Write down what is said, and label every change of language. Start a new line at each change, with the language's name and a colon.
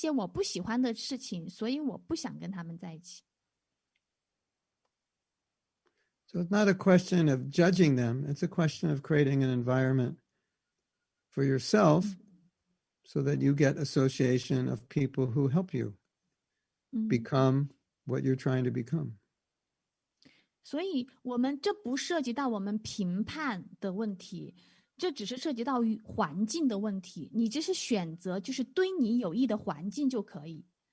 Chinese: 他们去夜总会，他们吸食毒品或者吸食这些，他们做着一些我不喜欢的事情，所以我不想跟他们在一起。
English: So it's not a question of judging them. It's a question of creating an environment for yourself so that you get association of people who help you become what you're trying to become.
Chinese: 所以我们这不涉及到我们评判的问题，这只是涉及到环境的问题。你这是选择，就是对你有益的环境就可以。